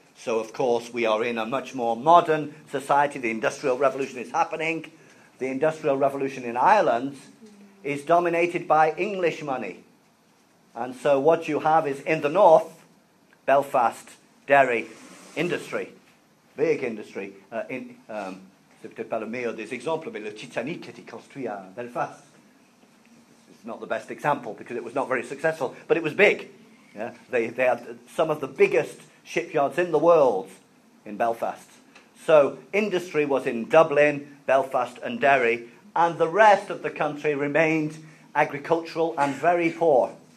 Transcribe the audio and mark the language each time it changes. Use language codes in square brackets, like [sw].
[en] So, of course, we are in a much more modern society. The Industrial Revolution is happening. The Industrial Revolution in Ireland is dominated by English money. And so what you have is, in the north, Belfast, Derry, industry. Big industry. [fr] C'est peut-être pas le meilleur des exemples, mais le Titanic a été construit à Belfast. [en] It's not the best example because it was not very successful, but it was big. Yeah, they had some of the biggest shipyards in the world in Belfast. So industry was in Dublin, Belfast and Derry, and the rest of the country remained agricultural and very poor.